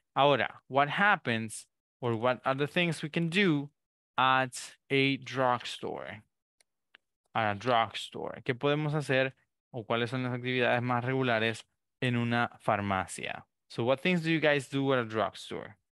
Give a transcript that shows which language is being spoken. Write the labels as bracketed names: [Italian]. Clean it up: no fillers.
[English] Ahora, what happens or what are the things we can do at a drugstore? At a drugstore. [Spanish] ¿Qué podemos hacer o cuáles son las actividades más regulares en una farmacia? [English] So what things do you guys do at a drugstore?